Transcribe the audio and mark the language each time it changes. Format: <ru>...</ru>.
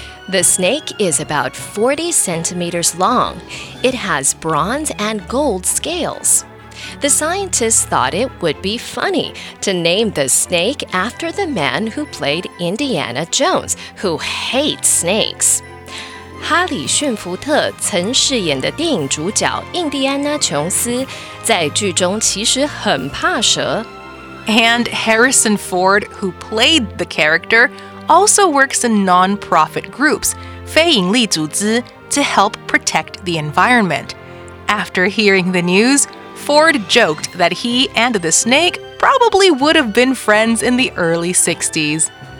<en>The snake is about 40 centimeters long. It has bronze and gold scales. the scientists thought it would be funny to name the snake after the man who played Indiana Jones, who hates snakes.</en> <zh>哈里逊福特曾饰演的电影主角印第安纳琼斯在剧中其实很怕蛇。</zh> <en>And Harrison Ford, who played the character, also works in non-profit groups, 非营利组织, to help protect the environment. After hearing the news, Ford joked that he and the snake probably would have been friends in the early 60s.</en>